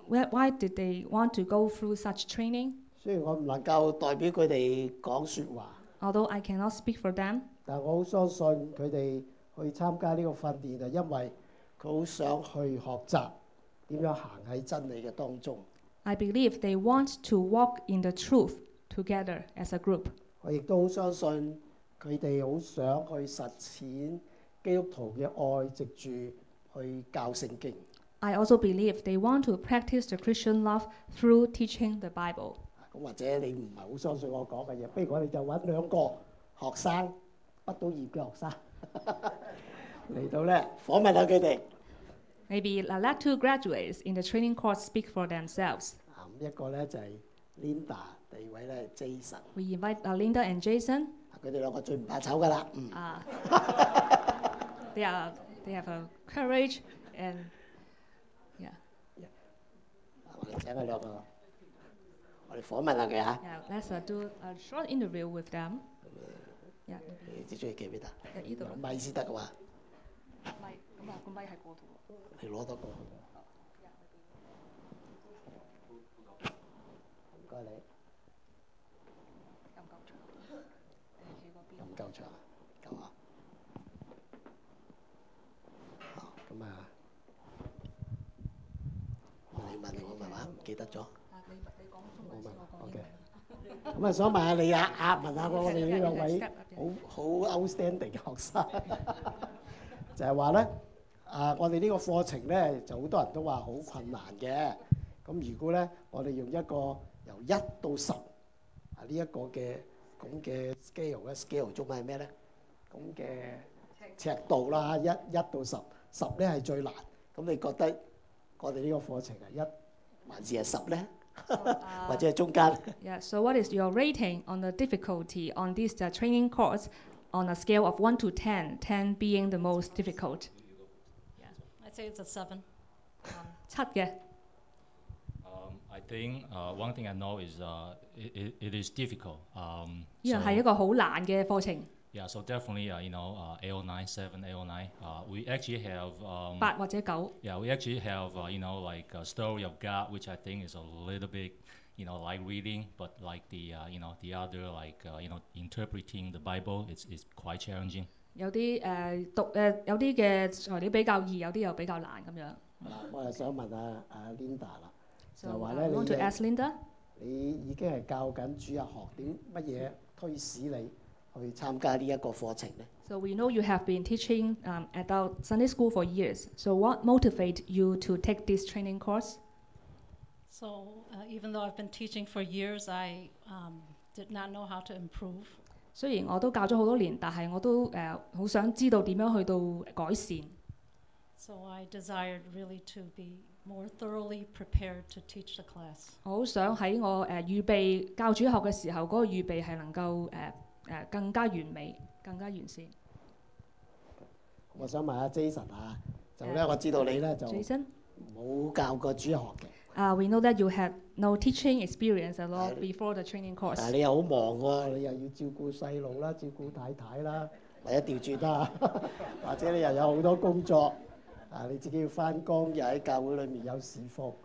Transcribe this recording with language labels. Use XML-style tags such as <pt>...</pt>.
<en>why did they want to go through such training?</en> <yue>雖然我不能夠代表他們講說話</yue> <en>although I cannot speak for them.</en> <yue>但我很相信他們去參加這個訓練是因為他很想去學習怎樣行在真理的當中</yue> <en>I believe they want to walk in the truth together as a group.</en> <yue>我亦都很相信他們很想去實踐基督徒的愛藉著去教聖經</yue> <en>I also believe they want to practice the Christian love through teaching the Bible.</en> <yue>或者你不是很相信我說的東西不如我們就找兩個學生畢到業的學生來到呢訪問一下他們</yue> <en>Maybe let two graduates in the training course speak for themselves.</en> <yue>一個咧就係 Linda， 第二位咧 Jason。</yue> <en>We invite Linda and Jason.</en> <yue>佢哋兩個最唔怕醜噶啦。</yue> <en>They have a courage and yeah.</en> <yue>我哋請佢兩個，我哋訪問下佢嚇。</yue> <en>Yeah, let's do a short interview with them.</en> <yue>Yeah. 你最中意幾邊啊？有麥先得噶嘛？麥咁啊，個麥係過度。你攞得過，唔該你。又唔夠長，企嗰邊。又唔夠長，夠啊？好，咁啊，你問我咪話，唔記得咗。你講中文，我講英文。咁啊，想問下你啊，阿文啊，我哋呢兩位好 outstanding 嘅學生，就係話咧。我哋呢個課程咧，就好多人都話好困難嘅。咁如果咧，我哋用一個由一到十啊呢一個嘅咁嘅 scale 咧 ，scale 中文係咩咧？咁嘅尺度啦，一到十，十咧係最難。咁你覺得我哋呢個課程係一還是係十咧？</yue> <en>So,</en> <yue>或者係中間</yue> <en>？Yeah. So what is your rating on the difficulty on this training course on a scale of 1 to 10? 10 being the most difficult. I'd say it's a 7. 7, I think one thing I know is it is difficult.</en> <yue>是一個很難的課程。</yue> <en>Yeah, so definitely, you know, AO9, 7, AO9, we actually have...</en> <yue>8或者9.</yue> <en>Yeah, we actually have, you know, like a story of God, which I think is a little bit, you know, like reading, but like the, you know, the other, like, you know, interpreting the Bible, it's quite challenging.</en> <yue>有啲讀有啲嘅材料比較易，有啲又比較難咁樣。我又想問阿 Linda 啦，</yue> <en>so,</en> <yue>就話咧你</yue> <en>want to ask Linda?</en> <yue>你已經係教緊主日學，點乜嘢推使你去參加呢一個課程咧</yue> <en>？So we know you have been teaching adult Sunday school for years. So what motivates you to take this training course? So even though I've been teaching for years, I did not know how to improve.</en> <yue>雖然我都教咗好多年，但係我都好想知道點樣去到改善。</yue> <en>So I desired really to be more thoroughly prepared to teach the class.</en> <yue>我好想喺我預備教主學嘅時候，嗰個預備係能夠更加完美、更加完善。我想問下 Jason 啊，就咧我知道你咧就冇教過主學嘅。</yue> <en>We know that you had no teaching experience at all before the training course.</en> <yue>但你又好忙喎，你又要照顧細路啦，照顧太太啦，或者調轉啦，或者你又有好多工作，你自己要翻工，又喺教會裏面有侍奉。</yue>